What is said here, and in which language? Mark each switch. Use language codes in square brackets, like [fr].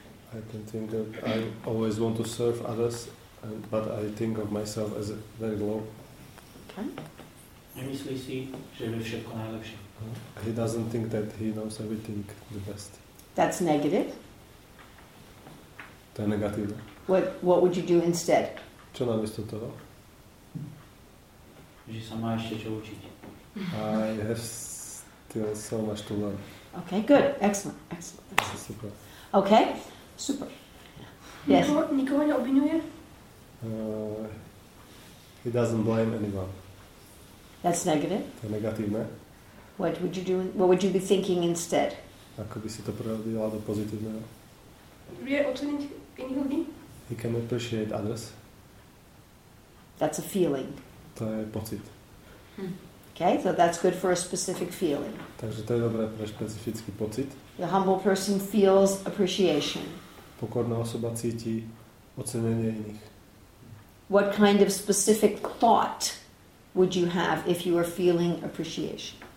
[en] I can think that I always want to serve others, but I think of myself as very low. [sk] Nemyslí si, že je všetko najlepšie. [en] He doesn't think that he knows everything the best. That's negative. [sk] To je negatívne. [en] What would you do instead? [sk] Čo namiesto toho? Že sa má ešte čo učiť. [en] I have still so much to learn. Okay, good. Excellent. Super. Okay, super. Yes. [sk] Nikoho neobvinuje? [en] He doesn't blame anyone. That's negative. [sk] To je negatívne. [en] What would you do? What would you be thinking instead? [sk] Ako by si to prehodila do pozitívneho? Vie oceniť iných ľudí? [en] He can appreciate others. That's a feeling. [sk] To je pocit. [en] Okay, so that's good for a specific feeling. [sk] Takže to je dobré pre špecifický pocit. [en] The humble person feels appreciation. [sk] Pokorná osoba cíti ocenenie iných. [en] What kind of specific thought would you have if you were feeling appreciation?